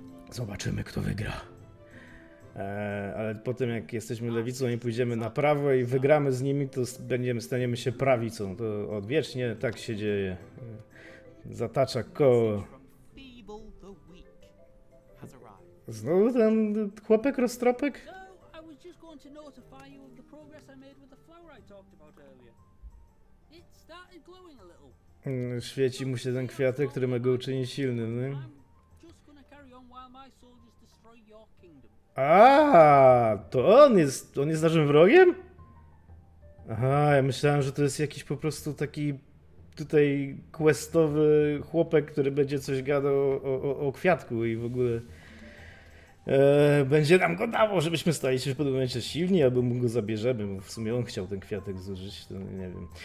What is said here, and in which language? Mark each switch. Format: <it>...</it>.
<pl>Zobaczymy, kto wygra. Ale po tym, jak jesteśmy lewicą i pójdziemy na prawo i wygramy z nimi, to staniemy się prawicą. To odwiecznie tak się dzieje. Zatacza koło. Znowu ten chłopek roztropek?</pl> <en>No, I was just going to notify you of the progress I made with the flower I talked about earlier. It started glowing a little.</en> <pl>Świeci mu się ten kwiatek, który ma go uczynić silnym, nie?</pl> <en>I'm just gonna carry on while my soldiers destroy your kingdom.</en> <pl>Aaa, to on jest naszym wrogiem? Aha, ja myślałem, że to jest jakiś po prostu taki tutaj questowy chłopek, który będzie coś gadał o kwiatku i w ogóle będzie nam go dawał, żebyśmy stali się w pewnym momencie silni, albo mu go zabierzemy, bo w sumie on chciał ten kwiatek zużyć, to nie wiem.</pl>